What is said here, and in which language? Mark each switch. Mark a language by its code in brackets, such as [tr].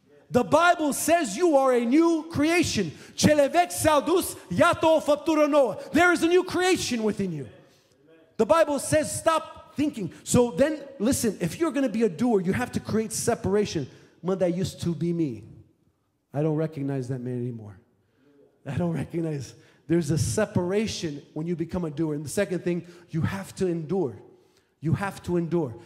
[en] The Bible says you are a new creation. [ro] Cele vechi s-au dus, iată o făptură nouă. [en] There is a new creation within you. The Bible says stop thinking. So then, listen, if you're going to be a doer, you have to create separation. Mă, that used to be me. I don't recognize that man anymore. I don't recognize. There's a separation when you become a doer. And the second thing, you have to endure. You have to endure.